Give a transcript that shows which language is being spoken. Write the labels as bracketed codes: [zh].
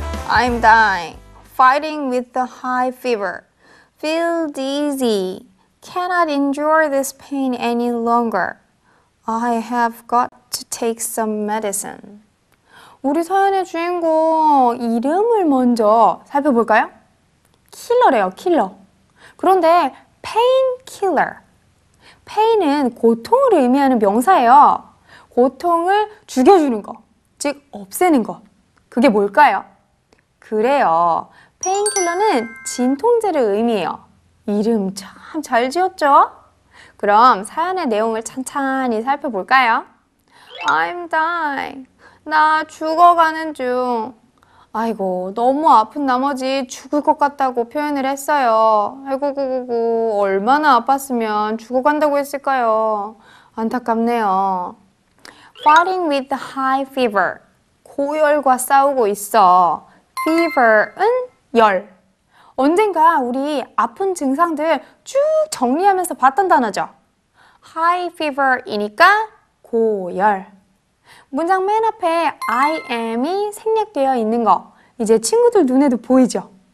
[en] I'm dying, fighting with the high fever. Feel dizzy, cannot endure this pain any longer. I have got to take some medicine. [ko] 우리 사연의 주인공 이름을 먼저 살펴볼까요? 킬러래요, 킬러. 그런데 [en] pain killer. [ko] Pain은 고통을 의미하는 명사예요. 고통을 죽여주는 것, 즉 없애는 것. 그게 뭘까요? 그래요. 페인킬러는 진통제를 의미해요. 이름 참 잘 지었죠? 그럼 사연의 내용을 찬찬히 살펴볼까요? [en] I'm dying. [ko] 나 죽어가는 중. 아이고, 너무 아픈 나머지 죽을 것 같다고 표현을 했어요. 아이고, 얼마나 아팠으면 죽어간다고 했을까요? 안타깝네요. [en] Fighting with high fever. [ko] 고열과 싸우고 있어. Fever은 열. 언젠가 우리 아픈 증상들 쭉 정리하면서 봤던 단어죠. High fever이니까 고열. 문장 맨 앞에 I am이 생략되어 있는 거. 이제 친구들 눈에도 보이죠?